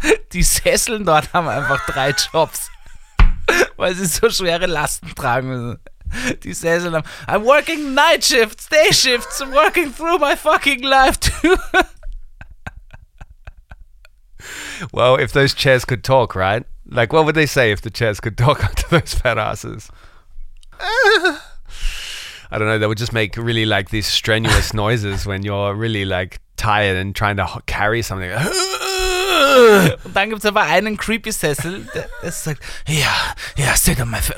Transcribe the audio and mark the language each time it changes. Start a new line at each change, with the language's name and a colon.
German: Die Sesseln dort haben einfach 3 Jobs, weil sie so schwere Lasten tragen müssen. Die Sesseln haben,
English: I'm working night shifts, day shifts, I'm working through my fucking life too. Well, if those chairs could talk, right? Like, what would they say if the chairs could talk under those fat asses? I don't know, they would just make really like these strenuous noises when you're really like tired and trying to carry something.
German: Und dann gibt's aber einen creepy Sessel, der sagt,
English: yeah, sit on my face.